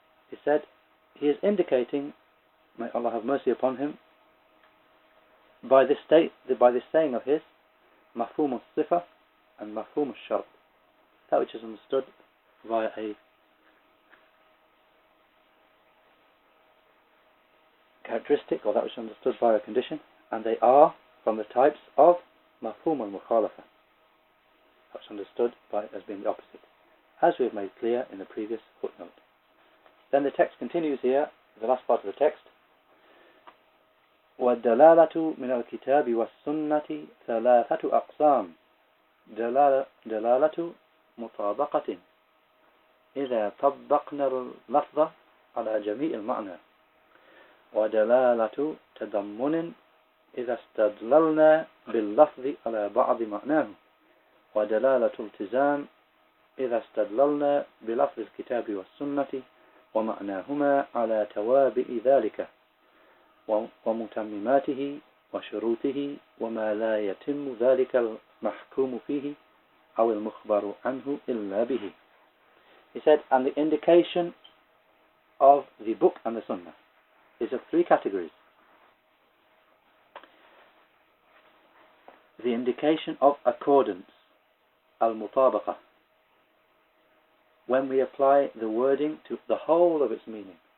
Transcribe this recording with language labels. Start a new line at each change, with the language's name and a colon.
English: He said, he is indicating, may Allah have mercy upon him, by this saying of his, mafhum al-sifa and mafhum al-shart, that which is understood via a characteristic, or that which is understood via a condition, and they are from the types of mafhum al-mukhalafa, that which is understood by as being the opposite, as we have made clear in the previous footnote. Then the text continues here, the last part of the text.
Arabic: والدلالة من الكتاب والسنة ثلاثة أقسام دلالة مطابقة إذا طبقنا اللفظ على جميع المعنى ودلالة تضمن إذا استدللنا باللفظ على بعض معناه ودلالة التزام إذا استدللنا بلفظ الكتاب والسنة ومعناهما على توابع ذلك ومتمماته وشروطه وما لا يتم ذلك المحكوم فيه أو المخبر عنه إلا به.
English: He said, and the indication of the book and the sunnah is of three categories. The indication of accordance, al-mutabaqa, when we apply the wording to the whole of its meaning.